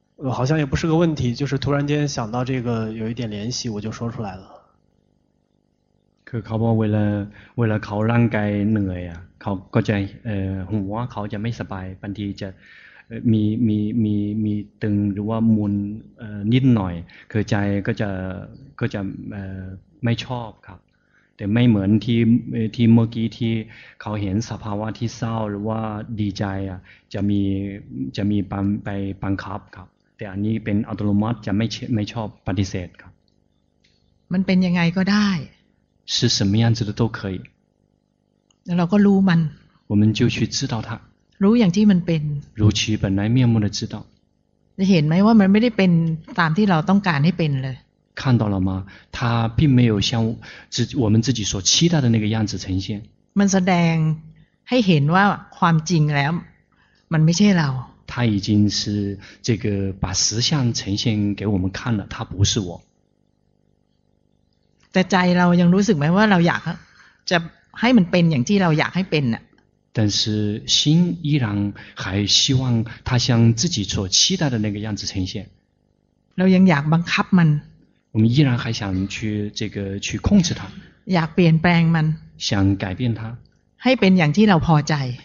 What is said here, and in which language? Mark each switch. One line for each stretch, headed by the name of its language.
Chinese: 好像也不是个问题，就是突然间想到这个有一点联系，我就说出来了。
Thai: คือเขาบอกเวลาเขาร่างกายเหนื่อยอ่ะเขาก็จะหัวเขาจะไม่สบายบางทีจะมีตึงหรือว่ามุนนิดหน่อยคือใจก็จะไม่ชอบครับแต่ไม่เหมือนที่เมื่อกี้ที่เขาเห็นสภาวะที่เศร้าหรือว่าดีใจอ่ะจะมีไปบังคับครับแต่อันนี้เป็นอัตโนมัติจะไม่ชอบปฏิเสธครับ มันเป็นยังไงก็ได้
Chinese: 是什么样子的都可以
Thai: แล้วเราก็รู้มัน
Chinese: 我们就去知道它
Thai: รู้อย่างที่มันเป็น
Chinese: 如其本来面目的知道
Thai: จะเห็นไหมว่ามันไม่ได้เป็นตามที่เราต้องการให้เป็นเลย
Chinese: 看到了吗它并没有像我们自己所期待的那个样子呈现
Thai: มันแสดงให้เห็นว่าความจริงแล้วมันไม่ใช่เรา
Chinese: 他已经是这个把实相呈现给我们看了，他不是我。
Thai: แต่ใจเรายังรู้สึกไหมว่าเราอยากจะให้มันเป็นอย่างที่เราอยากให้เป็นน่ะ
Chinese: 但是心依然还希望他像自己所期待的那个样子呈现。
Thai: เรายังอยากบังคับมัน
Chinese: 我们依然还想去这个去控制它。
Thai: อยากเปลี่ยนแปลงมัน
Chinese: 想改变它。
Thai: ให้เป็นอย่างที่เราพอใจ